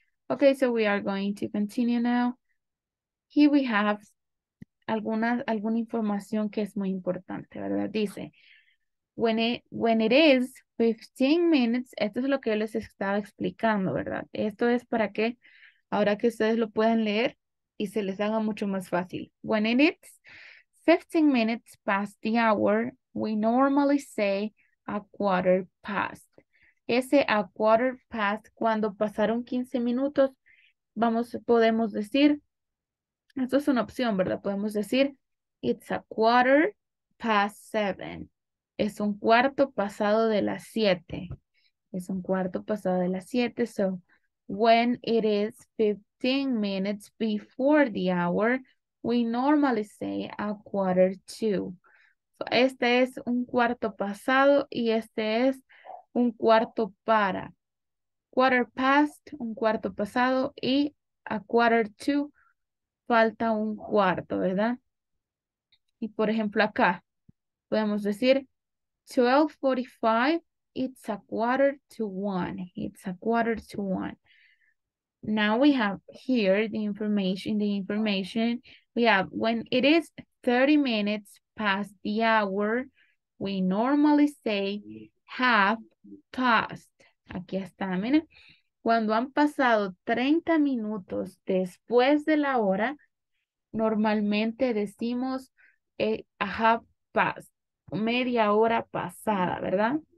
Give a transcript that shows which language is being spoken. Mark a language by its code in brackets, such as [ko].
[en] Okay, so we are going to continue now. Here we have [es] alguna información que es muy importante, ¿verdad? Dice, [en] when it is 15 minutes, [es] esto es lo que yo les estaba explicando, ¿verdad? Esto es para que ahora que ustedes lo puedan leer y se les haga mucho más fácil. [en] When it is 15 minutes past the hour, we normally say a quarter past. [es] Ese a quarter past, cuando pasaron 15 minutos, podemos decir, esto es una opción, ¿verdad? Podemos decir, [en] it's a quarter past seven. [es] Es un cuarto pasado de las 7. Es un cuarto pasado de las 7. [en] So, when it is 15 minutes before the hour, we normally say a quarter to. [es] So, este es un cuarto pasado y este es un cuarto para. Quarter past, un cuarto pasado, y a quarter to, falta un cuarto, ¿verdad? Y por ejemplo acá, podemos decir, 12:45, [en] it's a quarter to one. It's a quarter to one. Now we have here the information. We have, when it is 30 minutes past the hour, we normally say half past. [es] Aquí está, miren. Cuando han pasado 30 minutos después de la hora, normalmente decimos a half past, media hora pasada, ¿verdad?